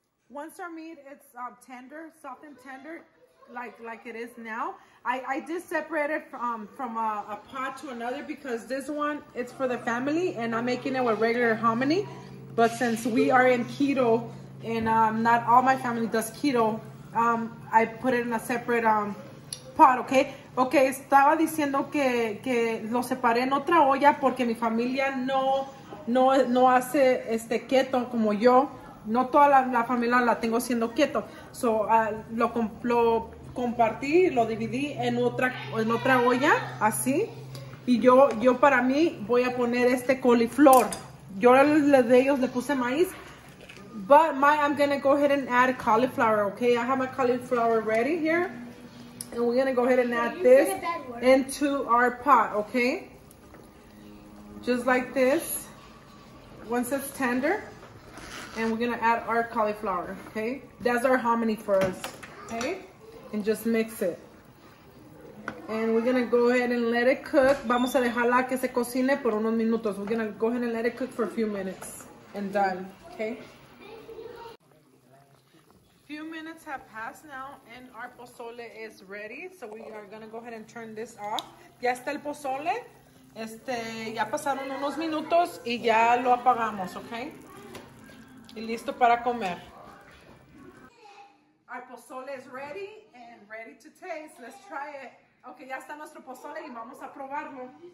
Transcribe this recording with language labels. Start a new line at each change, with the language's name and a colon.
English: Once our meat is tender, soft and tender, like it is now, I did separate it from a pot to another because this one, it's for the family and I'm making it with regular hominy. But since we are in keto and not all my family does keto, I put it in a separate pot, okay?
Spanish: Okay, estaba diciendo que lo separé en otra olla porque mi familia no hace este keto como yo. No toda la familia la tengo haciendo keto. So, lo compartí, lo dividí en otra olla, así. Y yo para mí voy a poner este coliflor. Yo de ellos le puse maíz.
English: But I'm gonna go ahead and add cauliflower, okay? I have my cauliflower ready here. And we're gonna go ahead and add this into our pot, okay? Just like this. Once it's tender, and we're gonna add our cauliflower, okay? That's our hominy for us, okay? And just mix it. And we're gonna go ahead and let it cook.
Spanish: Vamos a dejarla que se cocine por unos minutos.
English: We're gonna go ahead and let it cook for a few minutes and done, okay? Few minutes have passed now and our pozole is ready, so we are gonna go ahead and turn this off.
Spanish: Ya está el pozole, ya pasaron unos minutos y ya lo apagamos, okay? Y listo para comer.
English: Our pozole is ready and ready to taste. Let's try it.
Spanish: Okay, ya está nuestro pozole y vamos a probarlo.